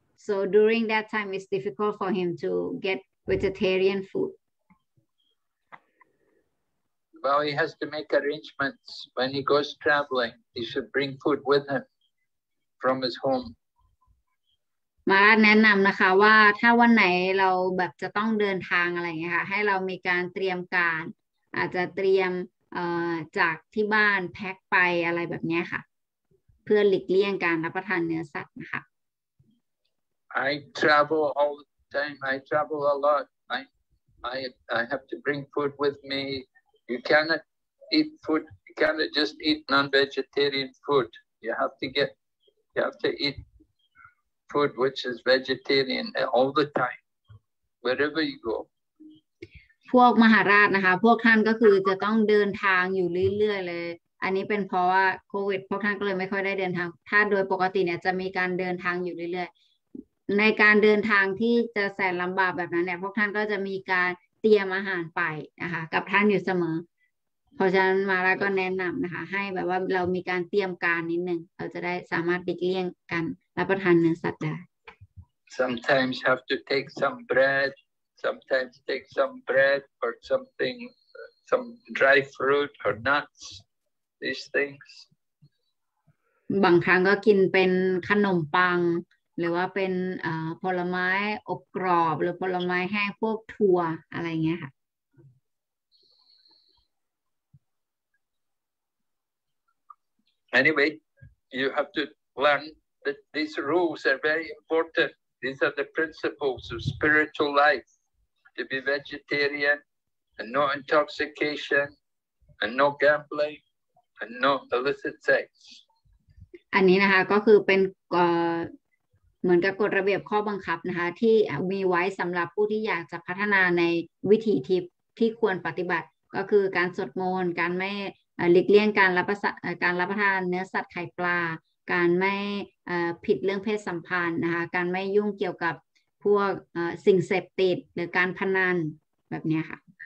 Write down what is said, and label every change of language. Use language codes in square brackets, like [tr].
[en] So during that time, it's difficult for him to get vegetarian food. Well, he has to make arrangements when he goes traveling. He should bring food with him from his home. [th] Maharaj แนะนำนะคะว่าถ้าวันไหนเราแบบจะต้องเดินทางอะไรอย่างเงี้ยค่ะให้เรามีการเตรียมการอาจจะเตรียมจากที่บ้านแพ็คไปอะไรแบบนี้ค่ะเื่อหลีกเลี่ยงการรับประทานเนื้อสัตว์นะคะ [en] I travel all the time I travel a lot I have to bring food with me you cannot eat food you cannot just eat non-vegetarian food you have to get you have to eat food which is vegetarian all the time wherever you go [th] พวกมหาราชนะคะพวกท่านก็คือจะต้องเดินทางอยู่เรื่อยๆเลยอันนี้เป็นเพราะว่าโควิดพวกท่านก็เลยไม่ค่อยได้เดินทางถ้าโดยปกติเนี่ยจะมีการเดินทางอยู่เรื่อยๆในการเดินทางที่จะแสนลำบากแบบนั้นเนี่ยพวกท่านก็จะมีการเตรียมอาหารไปนะคะกับท่านอยู่เสมอเพราะฉะนั้นมาราก็แนะนำนะคะให้แบบว่าเรามีการเตรียมการนิดนึงเราจะได้สามารถติดเลี่ยงกันรับประทานเนื้อสัตว์ได้ [en] Sometimes have to take some bread sometimes take some bread or something some dry fruit or nutsThese things. [th] บางครั้งก็กินเป็นขนมปังหรือว่าเป็นผลไม้อบกรอบหรือผลไม้แห้งพวกถั่วอะไรเงี้ยค่ะ [en] Anyway, you have to learn that these rules are very important. These are the principles of spiritual life. To be vegetarian and no intoxication and no gambling. And no illicit sex. [th] อันนี้นะคะก็คือเป็นเหมือนกับกฎระเบียบข้อบังคับนะคะที่มีไว้สำหรับผู้ที่อยากจะพัฒนาในวิถีทิพย์ที่ควรปฏิบัติก็คือการสวดมนต์การไม่หลีกเลี่ยงการรับประทานเนื้อสัตว์ไข่ปลาการไม่ผิดเรื่องเพศสัมพันธ์นะคะการไม่ยุ่งเกี่ยวกับพวกสิ่งเสพติดหรือการพนันแบบนี้ค่ะ